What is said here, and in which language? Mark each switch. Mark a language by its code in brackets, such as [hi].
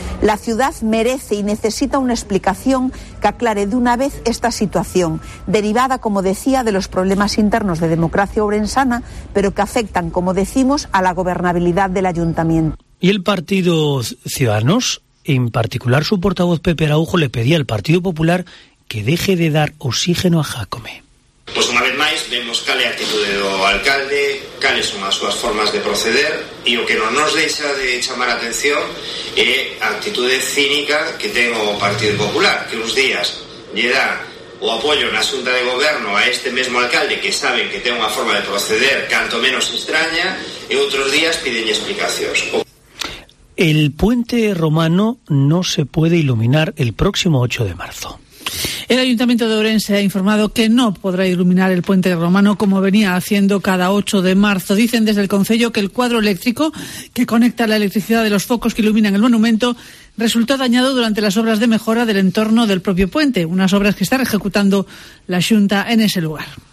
[es] La ciudad merece y necesita una explicación que aclare de una vez esta situación, derivada, como decía, de los problemas internos de Democracia Ourensana, pero que afectan, como decimos, a la gobernabilidad del ayuntamiento. Y el Partido Ciudadanos, en particular su portavoz Pepe Araujo, le pedía al Partido Popular que deje de dar oxígeno a Jácome. [gl] Pues una vez máis vemos cal é a actitude do alcalde, cales son as súas formas de proceder, e o que non nos deixa de chamar a atención é a actitude cínica que ten o Partido Popular, que uns días lle dá o apoio na xunta de goberno a este mesmo alcalde, que saben que ten unha forma de proceder canto menos extraña, e outros días pídenlle explicacións. [es] El puente romano no se puede iluminar el próximo 8 de marzo. El Ayuntamiento de Ourense ha informado que no podrá iluminar el puente romano como venía haciendo cada 8 de marzo. Dicen desde el concello que el cuadro eléctrico que conecta la electricidad de los focos que iluminan el monumento resultó dañado durante las obras de mejora del entorno del propio puente, unas obras que están ejecutando la Xunta en ese lugar.